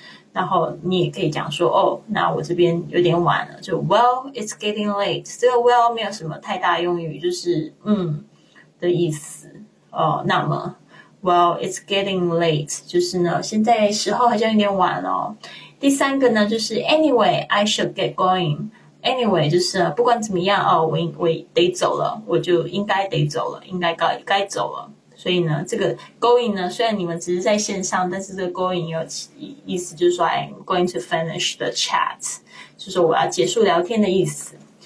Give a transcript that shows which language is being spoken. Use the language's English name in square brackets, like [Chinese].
[Chinese] 然后你也可以讲说哦，那我这边有点晚了，就 [English] Well, it's getting late。 [Chinese] 这个 Well 没有什么太大用语，就是嗯的意思哦。那么 [English] Well, it's getting late， [Chinese] 就是呢，现在时候好像有点晚了。第三个呢，就是 [English] Anyway, I should get going。 [Chinese] Anyway， 就是不管怎么样哦，我得走了，我就应该得走了，应该该走了。所以呢，这个 going 呢，虽然你们只是在线上，但是这个 going 有意思，就是说 [English] I'm going to finish the chat， [Chinese] 就是我要结束聊天的意思。